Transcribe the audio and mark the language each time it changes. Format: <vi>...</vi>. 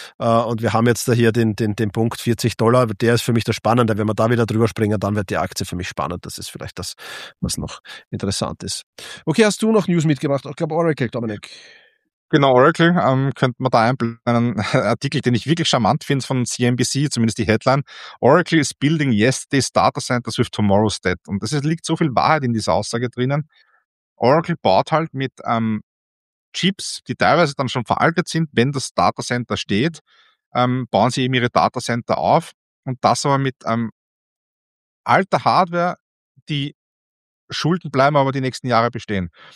<de>Und wir haben jetzt da hier den Punkt $40. Der ist für mich das Spannende. Wenn wir da wieder drüber springen, dann wird die Aktie für mich spannend. Das ist vielleicht das, was noch interessant ist. Okay, hast du noch News mitgebracht? Ich glaube Oracle, Dominik. Genau, Oracle. Könnte man da einen Artikel, den ich wirklich charmant finde, von CNBC, zumindest die Headline.</de> <en>Oracle is building yesterday's data centers with tomorrow's debt.</en> <de>Und es liegt so viel Wahrheit in dieser Aussage drinnen. Oracle baut halt mit Chips, die teilweise dann schon veraltet sind, wenn das Data Center steht, bauen sie eben ihre Data Center auf. Und das aber mit alter Hardware, die Schulden bleiben, aber die nächsten Jahre bestehen.</de>